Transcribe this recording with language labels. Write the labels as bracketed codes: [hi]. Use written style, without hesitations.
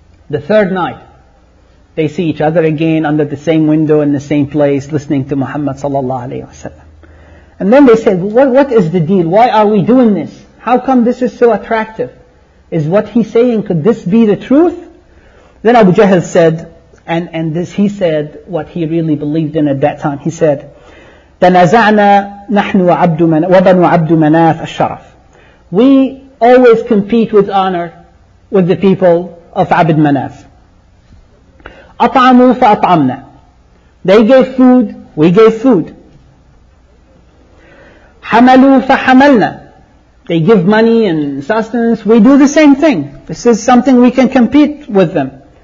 [en] The third night, they see each other again under the same window in the same place listening to Muhammad sallallahu alayhi wa sallam. And then they said, what is the deal? Why are we doing this? How come this is so attractive? Is what he's saying, could this be the truth? Then Abu Jahl said, and this he said what he really believed in at that time. He said, [ar] تَنَزَعْنَا نَحْنُ وَبَنُ عَبْدُ مَنَافَ الشَّرَفِ. [en] We always compete with honor with the people of Abd Manaf. [ar] أَطْعَمُوا فَأَطْعَمْنَا. [en] They gave food, we gave food. [ar] حَمَلُوا فَحَمَلْنَا. [en] They give money and sustenance, we do the same thing. This is something we can compete with them.